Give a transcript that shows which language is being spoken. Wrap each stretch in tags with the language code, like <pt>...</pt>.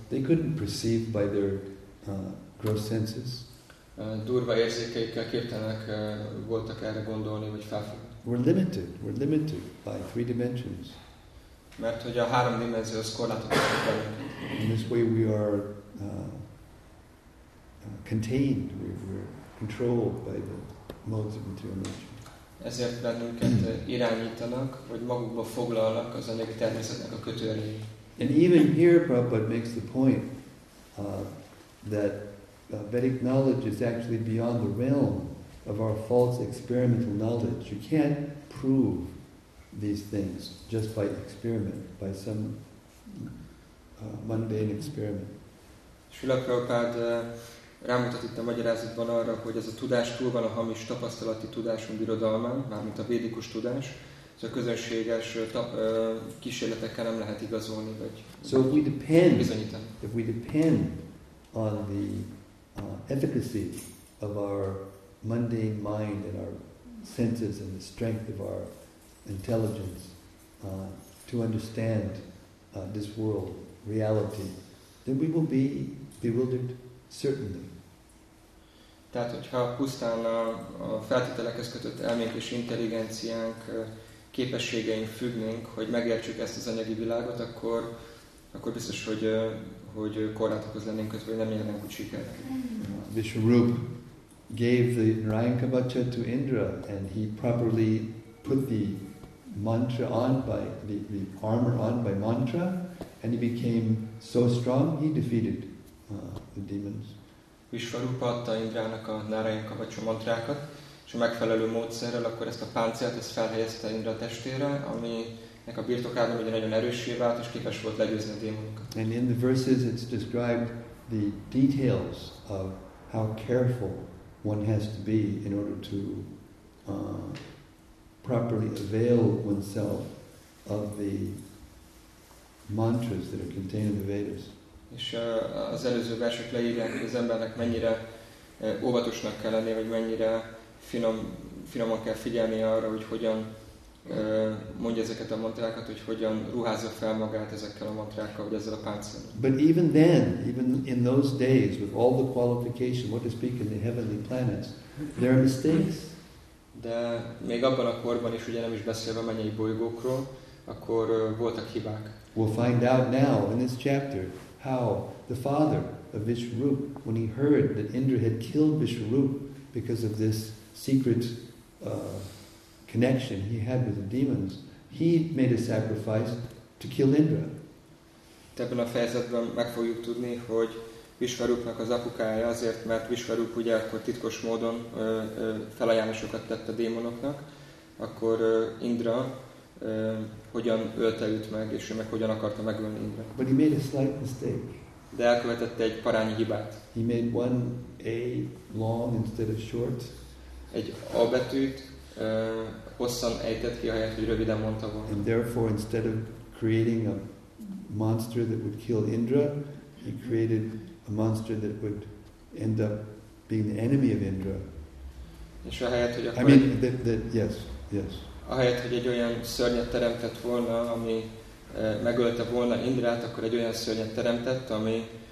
<en>They couldn't perceive by their gross senses.</en> <hu>Durva érzékeikkel képtelenek voltak erre gondolni, vagy felfogni.</hu> <en>We're limited by three dimensions.</en> <hu>Mert hogy a három dimenzió az korlátozott.</hu> <en>In this way we are contained. We're controlled by the modes of material nature.</en> <hu>Ezért bennünket irányítanak, vagy magukba foglalnak az anyagi természetnek a kötőerei.</hu> <en>And even here, Prabhupada makes the point that Vedic knowledge is actually beyond the realm of our false experimental knowledge. You can't prove these things just by experiment, by some mundane experiment.</en> <hu>Srila Prabhupada rámutat itt a magyarázatban arra, hogy ez a tudás túl van a hamis tapasztalati tudásunk birodalmán, mármint a védikus tudás, ez a közönséges kísérletekkel nem lehet igazolni, vagy bizonyítani.</hu> <en>So if we depend on the efficacy of our mundane mind and our senses and the strength of our intelligence to understand this world, reality, then we will be bewildered, certainly.</en> <hu>Tehát, hogyha pusztán a feltételekhez kötött elménk és intelligenciánk képességeink függnénk, hogy megértsük ezt az anyagi világot, akkor biztos, hogy korlátokhoz lennénk kötve, hogy nem jelenünk úgy sikert.</hu> <en>Vishwarup gave the Narayan Kavacha to Indra, and he properly put the mantra on, by the armor on by mantra, and he became so strong, he defeated the demons.</en> <hu>Vishwarupa adta Indrának a Narayan Kavacsa mantrákat, és a megfelelő módszerrel akkor ezt a páncélt, ezt felhelyezte Indra testére, ami ennek a birtokában ugye nagyon erőssé vált, és képes volt legyőzni a démonokat.</hu> <en>And in the verses it's described the details of how careful one has to be in order to properly avail oneself of the mantras that are contained in the Vedas.</en> <hu>És az előző versek leírják, hogy az embernek mennyire óvatosnak kell lennie, vagy mennyire finoman kell figyelni arra, hogy hogyan mondja ezeket a mantrákat, hogy hogyan ruházza fel magát ezekkel a mantrákkal, vagy ezzel a páncél.</hu> <en>But even then, even in those days, with all the qualification, what to speak in the heavenly planets, there are mistakes.</en> <hu>De még abban a korban is, ugye nem is beszélve mennyei bolygókról, akkor voltak hibák.</hu> <en>We'll find out now in this chapter how the father of Vishwarupa, when he heard that Indra had killed Vishwarupa because of this secret connection he had with the demons, he made a sacrifice to kill Indra.</en> <hu>Ebben a fejezetben meg fogjuk tudni, hogy Vishwarupnak az apukája azért, mert Vishwarupa ugye akkor titkos módon felajánlásokat tett a démonoknak, akkor Indra hogyan ölte őt meg, és ő meg hogyan akarta megölni Indra.</hu> <en>But he made a slight mistake.</en> <hu>De elkövetette egy parányi hibát.</hu> <en>He made one A long instead of short.</en> <hu>Egy A betűt hosszan ejtett ki, ahelyett, hogy röviden mondta volna.</hu> <en>And therefore, instead of creating a monster that would kill Indra, he created a monster that would end up being the enemy of Indra.</en> <hu>És ahelyett, hogy akkor...</hu> <en>I mean, yes.</en> <hu>Ahelyett, hogy egy olyan szörnyet teremtett volna, ami megölte volna Indrát, akkor egy olyan szörnyet teremtett, ami...</hu>